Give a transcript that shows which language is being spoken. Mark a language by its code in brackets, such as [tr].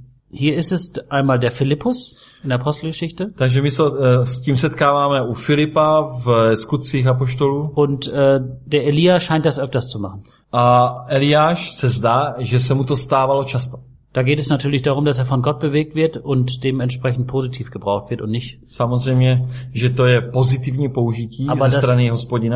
[de] Hier ist es einmal der Philippus in der Apostelgeschichte. [cs] Takže my se s tím setkáváme u Filipa v Skutcích apoštolů. [de] Und der Elias scheint das öfters zu machen. [cs] A Eliáš se zdá, že se mu to stávalo často. [de] Da geht es natürlich darum, dass er von Gott bewegt wird und dementsprechend positiv gebraucht wird und nicht. [cs] Samozřejmě, že to je pozitivní použití ze strany Hospodina.